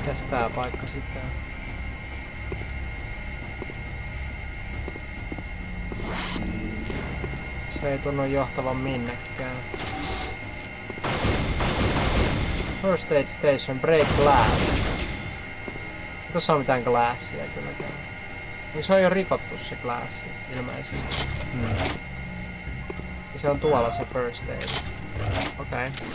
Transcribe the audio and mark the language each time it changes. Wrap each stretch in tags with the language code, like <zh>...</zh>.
<fi>Tää paikka sitten. Se ei tunnu johtavan minnekään.</fi> <en>First aid station, break glass.</en> <fi>Tuossa on mitään glassia kylläkään. Niin se on jo rikottu se glassi ilmeisesti. Ja se on tuolla se first aid. Okei. Okay.</fi>